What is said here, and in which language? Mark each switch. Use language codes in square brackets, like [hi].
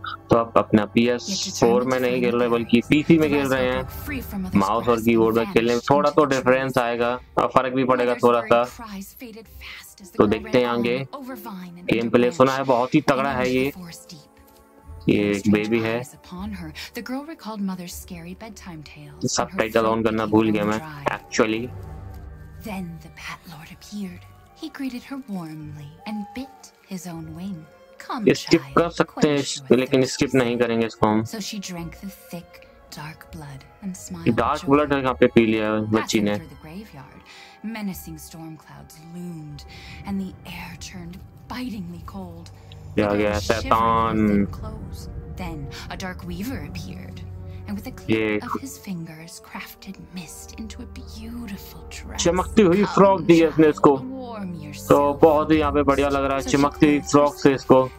[hi] तो आप अपना PS4 में नहीं खेल रहे बल्कि PC में खेल रहे हैं, माउस और कीबोर्ड में खेलने में थोड़ा तो डिफरेंस आएगा और फर्क भी पड़ेगा थोड़ा सा। तो देखते हैं आगे गेम प्ले। सुना है बहुत ही तगड़ा है ये, एक बेबी है। सबटाइटल ऑन करना भूल गया मैं actually. [en] Then the Bat Lord appeared. He greeted her warmly and bit his own wing. Come, skip child, quench your thirst. [hi] Skip नहीं करेंगे इसको हम। [en] So she drank the thick, dark blood and smiled. Dark blood [hi] यहाँ पे P लिया बच्ची ने। [en] Through the graveyard, menacing storm clouds loomed, and the air turned bitingly cold. [hi] या गया शैतान। [en] Then a dark weaver appeared. And with a click of his fingers, crafted mist into a beautiful dress. [hi] चमकती हुई frog दी है इसने इसको। तो बहुत ही यहाँ पे बढ़िया लग रहा है चमकती हुई फ्रॉग से इसको।